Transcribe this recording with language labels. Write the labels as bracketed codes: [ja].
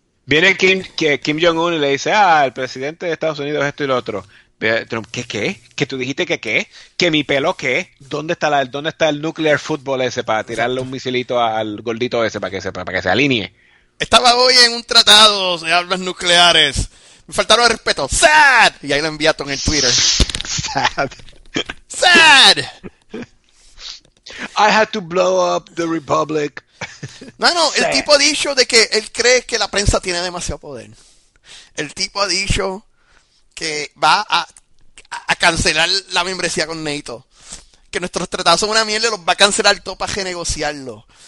[es] Viene Kim Jong-un y le dice, ah, el presidente de Estados Unidos es esto y lo otro. Trump, ¿qué? ¿Que tú dijiste que qué? ¿Que mi pelo qué? ¿Dónde está el nuclear football ese para tirarle un misilito al gordito ese para que se alinee? Estaba hoy en un tratado de armas nucleares. Me faltaron el respeto. ¡Sad! Y ahí lo enviaron en Twitter. [en] ¡Sad! ¡Sad! I had to blow up the Republic. [es] No, sad. El tipo ha dicho de que él cree que la prensa tiene demasiado poder. El tipo ha dicho que va a cancelar la membresía con NATO. Que nuestros tratados son una mierda y los va a cancelar todo para renegociarlo.